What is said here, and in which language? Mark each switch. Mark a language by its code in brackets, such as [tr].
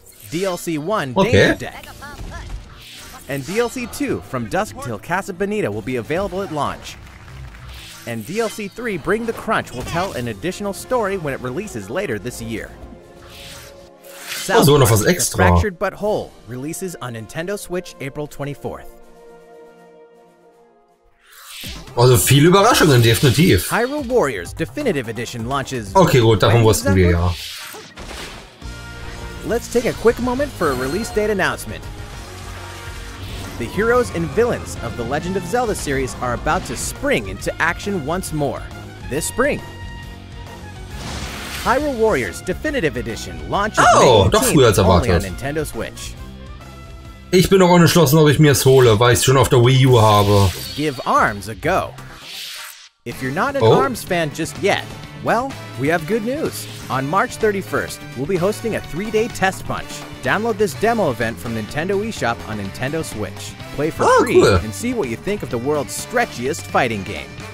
[en] DLC 1 okay. Danger Deck. And DLC 2 From Dusk Till Casa Bonita will be available at launch. And DLC 3 Bring the Crunch will tell an additional story when it releases later this year. [de] Also noch was extra. [en] Fractured But Whole releases on Nintendo Switch April 24th. [de] Also viele Überraschungen, definitiv. [en] Hyrule Warriors Definitive Edition launches. [de] Okay, gut, darum wussten wir ja. [en] Let's take a quick moment for a release date announcement. The heroes and villains of the Legend of Zelda series are about to spring into action once more, this spring. Hyrule Warriors Definitive Edition launches May 18th, [de] doch früher als erwartet. [en] Only on Nintendo Switch. [de] Ich bin noch unentschlossen, ob ich mir es hole, weil ich es schon auf der Wii U habe. [en] Give ARMS a go. If you're not an ARMS fan just yet, well, we have good news. On March 31st, we'll be hosting a 3-day test punch. Download this demo event from Nintendo eShop on Nintendo Switch. Play for free and see what you think of the world's stretchiest fighting game.